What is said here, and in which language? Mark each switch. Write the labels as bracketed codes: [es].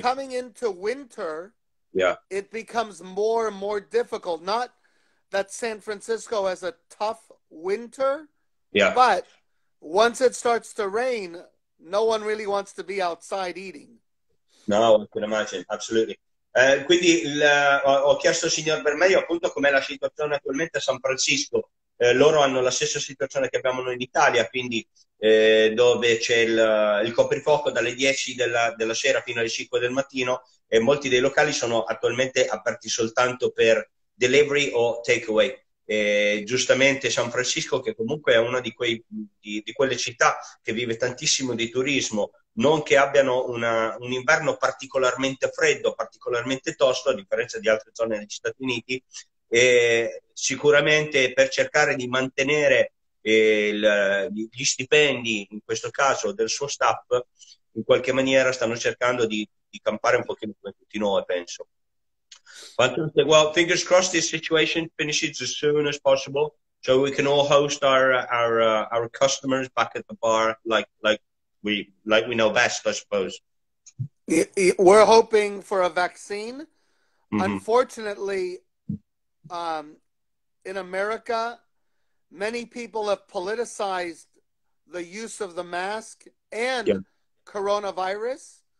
[en] coming into winter, Yeah. it becomes more and more difficult. Not that San Francisco has a tough winter, Yeah. but once it starts to rain, no one really wants to be outside eating. No, I can imagine, absolutely. [it] Quindi ho chiesto al signor Bermejo appunto com'è la situazione attualmente a San Francisco. Loro hanno la stessa situazione che abbiamo noi in Italia, quindi dove c'è il coprifuoco dalle 10 della sera fino alle 5 del mattino e molti dei locali sono attualmente aperti soltanto per delivery o takeaway. Giustamente San Francisco, che comunque è una di quelle città che vive tantissimo di turismo, non che abbiano un inverno particolarmente freddo, particolarmente tosto, a differenza di altre zone degli Stati Uniti. E sicuramente per cercare di mantenere gli stipendi, in questo caso del suo staff, in qualche maniera stanno cercando di campare un pochino come tutti noi, penso. [en] Well, fingers crossed this situation finishes as soon as possible so we can all host our customers back at the bar like we know best, I suppose. We're hoping for a vaccine. Unfortunately, in America, many people have politicized the use of the mask and coronavirus.